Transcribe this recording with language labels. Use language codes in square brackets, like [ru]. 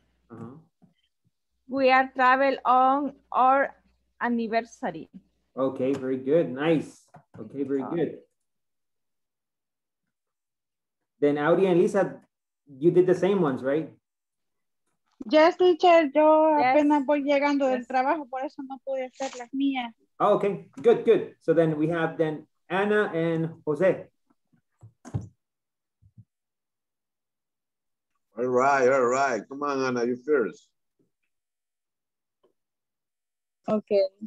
[en] Uh-huh. We are travel on our anniversary. Okay, very good, nice. Okay, very good. Then Audi and Lisa, you did the same ones, right? Yes, teacher, yo yes. [es] Apenas voy llegando [en] yes. [es] Del trabajo, por eso no pude hacer las mías. [en] Oh, okay, good, good. So then we have then Anna and Jose. All right, come on, Anna, you first. Okay.